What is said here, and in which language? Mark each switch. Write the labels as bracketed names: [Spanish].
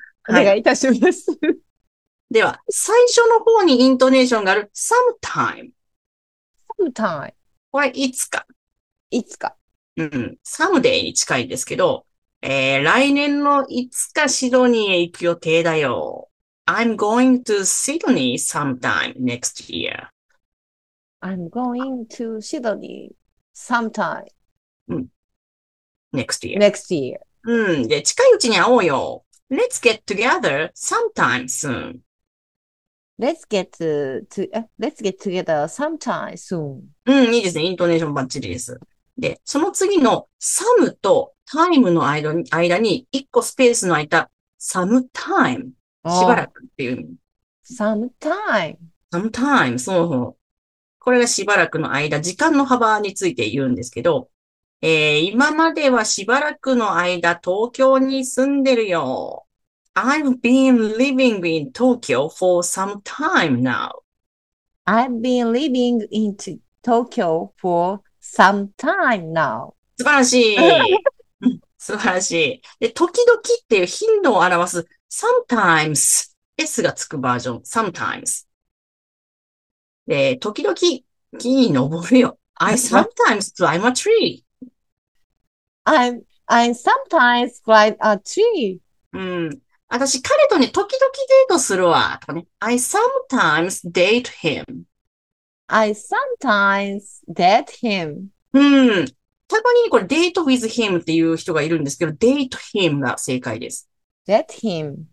[Japanese] はい、お願いいたします。では最初の方にイントネーションがある sometime。 [English] sometime [Japanese] はいつか、いつか、うん、someday に近いんですけど、来年のいつかシドニーへ行く予定だよ。 [English] I'm going to Sydney sometime next year。 I'm going to Sydney sometime、うん、next year, next year. [Japanese] うん、で近いうちに会おうよ。 [English] Let's get together sometime soon. Let's get together sometime soon. [Japanese] うん、いいですね。イントネーションバッチリです。で、その次の some と time の間に一個スペースの空いた sometime、 しばらくっていう意味。 [English] Sometime. Sometime. [Japanese] そうそう。これがしばらくの間、時間の幅について言うんですけど、今まではしばらくの間東京に住んでるよ。 [English] I've been living in Tokyo for some time now. I've been living in Tokyo for some time now. [Japanese] 素晴らしい。素晴らしい。で、時々っていう頻度を表す sometimes S がつくバージョン sometimes。で、時々木に登るよ。 [English] I sometimes climb a tree. I sometimes climb a tree. [Japanese] うん。私、彼とね、時々デートするわ。とかね。 [English] I sometimes date him. I sometimes date him. [Japanese] たまにこれ、date with him っていう人がいるんですけど、date him が正解です。 [English] date him.